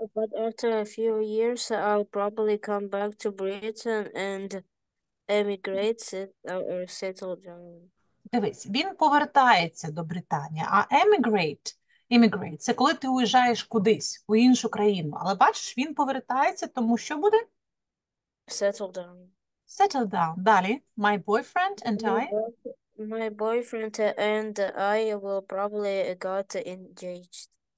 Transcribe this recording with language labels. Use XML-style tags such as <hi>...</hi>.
<en>But after a few years, I'll probably come back to Britain and emigrate or settle down.</en> <uk>Дивись, він повертається до Британії, а emigrate, emigrate, це коли ти уїжджаєш кудись, у іншу країну. Але бачиш, він повертається, тому що буде?</uk> <en>Settle down. Settle down.</en> <uk>Далі,</uk> <en>my boyfriend and I... My boyfriend and I will probably get engaged.</en>